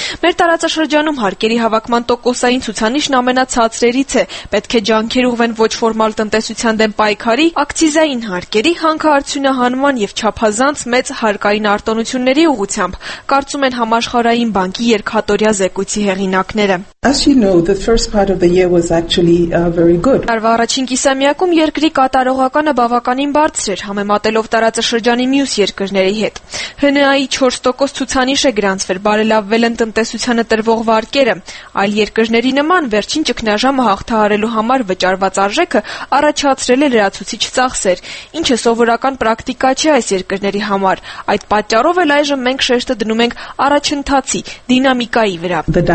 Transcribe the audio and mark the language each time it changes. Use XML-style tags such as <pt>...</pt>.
<hy>Մեր տարածաշրջանում հարկերի հավաքման տոկոսային ցուցանիշն ամենացածրերից է, պետք է ջանքեր ուղղվեն ոչ ֆորմալ տնտեսության դեմ պայքարի, ակցիզային հարկերի հանքարդյունահանման և չափազանց մեծ հարկային արտոնությունների ուղությամբ, կարծում են համաշխարհային բանկի երկհատորյա զեկույցի հեղինակները։</hy> <en>As you know, the first part of the year was actually very good.</en> <hy>Տարվա առաջին կիսամյակում երկրի կատարողականը բավականին բարձր էր, համեմատելով տարածաշրջանի մյուս երկրների հետ։ ՀՆԱ-ի 4% ցուցանիշը գրանցվել, բարելավվել են տնտեսությանը տրվող վարկերը։ Այլ երկրների նման վերջին ճգնաժամը հաղթահարելու համար վճարված արժեքը առաջացրել է լրացուցիչ ծախսեր, ինչը սովորական պրակտիկա չէ այս երկրների համար։ Այդ պատճառով էլ այժմ մենք շեշտը դնում ենք առաջընթացի դինամիկայի վրա։</hy>